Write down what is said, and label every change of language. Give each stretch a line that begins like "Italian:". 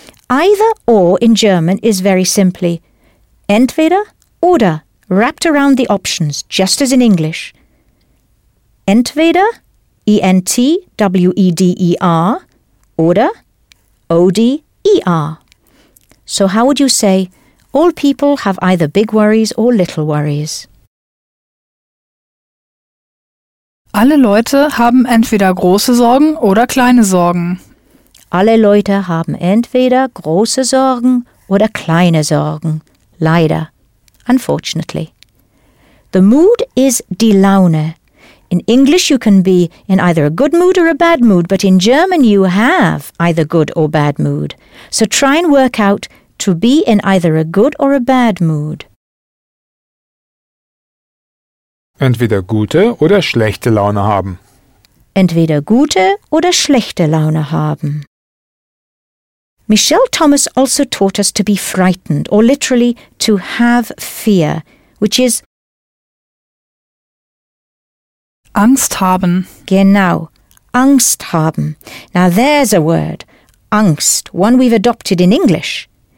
English: Either or in German is very simply entweder oder, wrapped around the options, just as in English. Entweder
German: entweder oder oder.
English: So how would you say, all people have either big worries or little worries?
German: Alle Leute haben entweder große Sorgen oder kleine Sorgen. Alle Leute haben entweder große Sorgen oder kleine Sorgen. Leider.
English: Unfortunately. The mood is die Laune. In English you can be in either a good mood or a bad mood, but in German you have either good or bad mood. So try and work out to be in either a good or a bad mood.
German: Entweder gute oder schlechte Laune haben. Entweder gute oder schlechte Laune haben.
English: Michelle Thomas also taught us to be frightened, or literally to have fear, which is
German: Angst haben. Genau, Angst haben.
English: Now there's a word, Angst, one we've adopted in English.